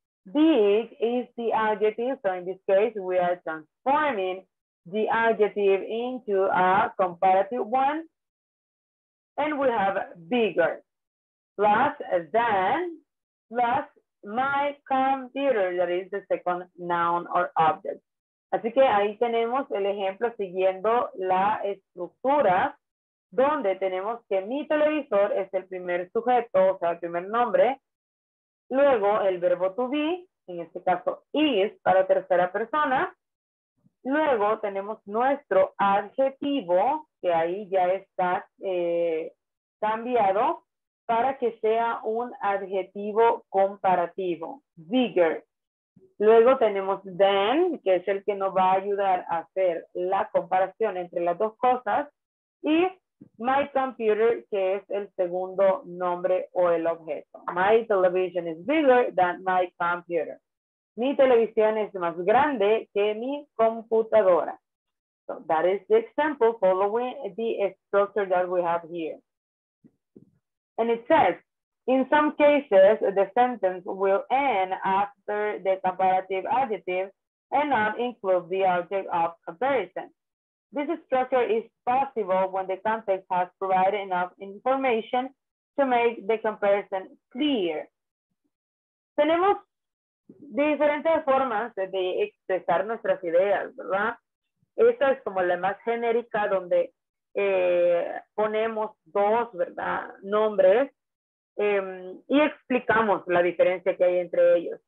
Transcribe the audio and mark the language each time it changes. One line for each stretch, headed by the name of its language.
English: Big is the adjective. So in this case, we are transforming the adjective into a comparative one. And we have bigger plus than plus my computer, that is the second noun or object.
Spanish: Así que ahí tenemos el ejemplo siguiendo la estructura donde tenemos que mi televisor es el primer sujeto, o sea, el primer nombre. Luego el verbo to be, en este caso is, para tercera persona. Luego tenemos nuestro adjetivo, que ahí ya está cambiado, para que sea un adjetivo comparativo, bigger. Luego tenemos than, que es el que nos va a ayudar a hacer la comparación entre las dos cosas, y my computer, que es el segundo nombre o el objeto.
English: My television is bigger than my computer.
Spanish: Mi televisión es más grande que mi computadora.
English: So that is the example following the structure that we have here. And it says, in some cases, the sentence will end after the comparative adjective and not include the object of comparison. This structure is possible when the context has provided enough information to make the comparison clear.
Spanish: Tenemos diferentes formas de expresar nuestras ideas, ¿verdad? Esta es como la más genérica donde ponemos dos, ¿verdad?, nombres y explicamos la diferencia que hay entre ellos.